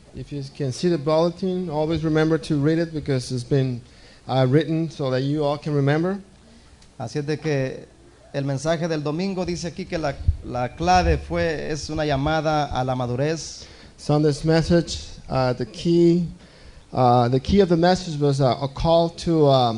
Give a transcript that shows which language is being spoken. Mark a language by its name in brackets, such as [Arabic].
[English] If you can see the bulletin, always remember to read it because it's been written so that you all can remember. [Spanish] Así es de que el mensaje del domingo dice aquí que la clave fue es una llamada a la madurez. [English] Sunday's message, the key of the message was a call to